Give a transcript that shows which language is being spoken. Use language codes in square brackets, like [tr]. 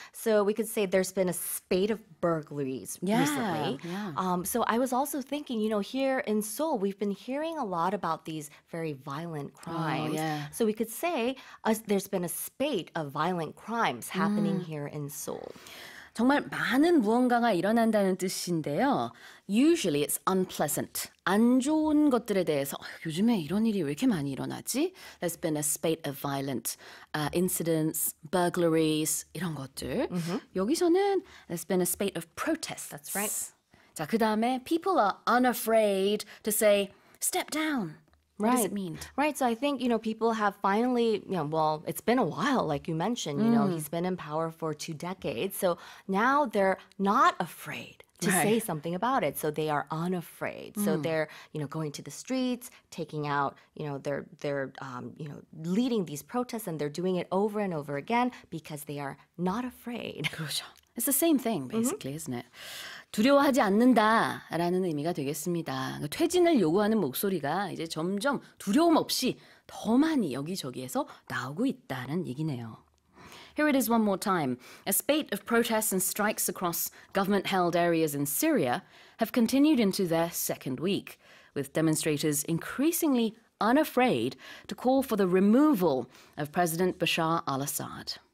[en] So we could say there's been a spate of burglaries yeah, recently. Yeah. So I was also thinking, you know, here in Seoul, we've been hearing a lot about these very violent crimes. Oh, yeah. So we could say there's been a spate of violent crimes happening here in Seoul. [ko] 정말 많은 무언가가 일어난다는 뜻인데요. [en] Usually it's unpleasant. [ko] 안 좋은 것들에 대해서 요즘에 이런 일이 왜 이렇게 많이 일어나지? [en] There's been a spate of violent incidents, burglaries, [ko] 이런 것들. Mm-hmm. 여기서는 [en] there's been a spate of protests. That's right. [ko] 자, 그다음에 [en] people are unafraid to say step down. Right. What does it mean? Right. So I think, you know, people have finally, you know, well, it's been a while, like you mentioned, you know, he's been in power for two decades. So now they're not afraid to right. say something about it. So they are unafraid. So they're, you know, going to the streets, taking out, you know, they're leading these protests, and they're doing it over and over again because they are not afraid. It's the same thing, basically, isn't it? [ko] 두려워하지 않는다라는 의미가 되겠습니다. 퇴진을 요구하는 목소리가 이제 점점 두려움 없이 더 많이 여기저기에서 나오고 있다는 얘기네요. [en] Here it is one more time. A spate of protests and strikes across government-held areas in Syria have continued into their second week, with demonstrators increasingly unafraid to call for the removal of President Bashar al-Assad.